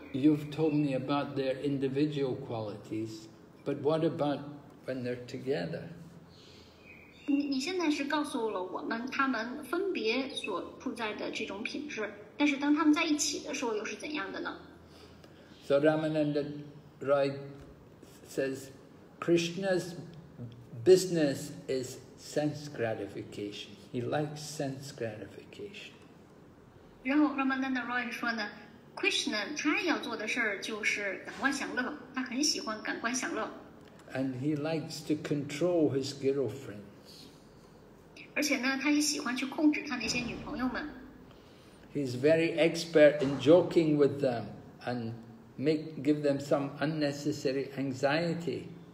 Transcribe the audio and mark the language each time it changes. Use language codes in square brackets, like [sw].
[en] You've told me about their individual qualities, but what about when they're together? [zh] 你现在是告诉了我们他们分别所处在的这种品质,但是当他们在一起的时候又是怎样的呢? [en] So Ramananda Rai says, Krishna's business is sense gratification. He likes sense gratification. [zh] 然后Ramananda Roy说呢, Krishna他要做的事儿就是感官享乐，他很喜欢感官享乐。 [en] And he likes to control his girlfriends. [zh] 而且呢，他也喜欢去控制他那些女朋友们。 [en] He's very expert in joking with them and give them some unnecessary anxiety.